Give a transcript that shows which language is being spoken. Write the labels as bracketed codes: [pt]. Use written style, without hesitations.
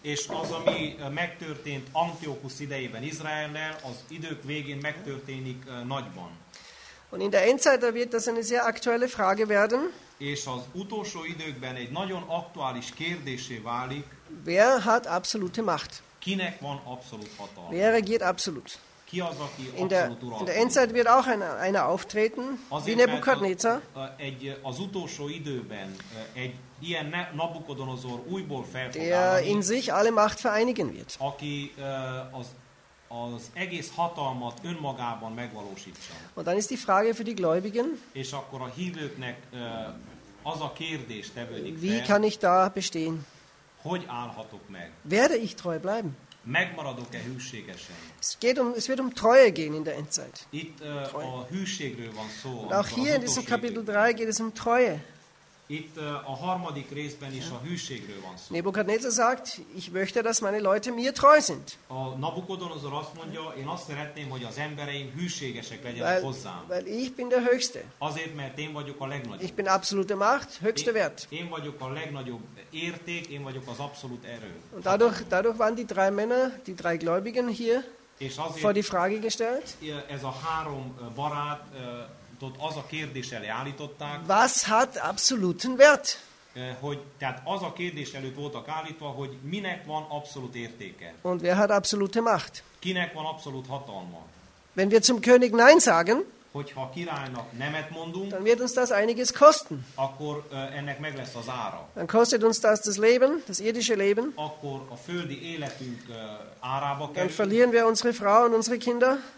[hu] És az, ami megtörtént Antiochus idejében Izraellel, az idők végén megtörténik nagyban. [de] Und in der Endzeit wird das eine sehr aktuelle Frage werden. [hu] És az utolsó időkben egy nagyon aktuális kérdésé válik. [de] Wer hat absolute Macht? [hu] Kinek van abszolút hatalma? [de] Wer regiert absolut? [hu] Ki az, aki [de] in der Endzeit wird auch einer auftreten, [hu] azért, [de] wie Nebukadnezar. [hu] Az utolsó időben egy ilyen Nabukodonozor újból felfog [de] der [hu] állani, [de] in sich alle Macht vereinigen wird. [hu] Aki az egész hatalmat önmagában megvalósítsa. [de] Und dann ist die Frage für die Gläubigen. [hu] És akkor a hívőknek az a kérdés tevődik fel. [de] Wie kann ich da bestehen? [hu] Hogy állhatok meg? [de] Werde ich treu bleiben? [hu] Megmaradok-e hűségesen? [de] Es wird um Treue gehen in der Endzeit. [hu] Itt a hűségről van szó. [de] Und auch hier in diesem Kapitel 3 geht es um Treue. [hu] Itt a harmadik részben is a hűségről van szó. [de] Nebukadnezar sagt, ich möchte, dass meine Leute mir treu sind. [hu] A Nabukodonozor azt mondja, én azt szeretném, hogy az embereim hűségesek legyenek hozzám. [de] Weil ich bin der Höchste. [hu] Azért, mert én vagyok a legnagyobb. [de] Ich bin absolute Macht, höchste Wert. [hu] Én vagyok a legnagyobb érték, én vagyok az abszolút erő. [de] Und dadurch waren die drei Männer, die drei Gläubigen hier vor die Frage gestellt. [hu] Ez a három barát az a kérdés elé állították. [de] Was hat absoluten Wert? [hu] Hogy, tehát az a kérdés előtt voltak állítva, hogy minek van abszolút értéke? [de] Und wer hat absolute Macht? [hu] Kinek van abszolút hatalma? [de] Wenn wir zum König Nein sagen, [hu] hogyha a királynak nemet mondunk, [de] dann wird uns das einiges kosten. [hu] Akkor ennek meg lesz az ára. [de] Dann kostet uns das Leben, das irdische Leben. [hu] Akkor a földi életünk árába kerül. [de] Dann verlieren wir unsere Frau und unsere Kinder.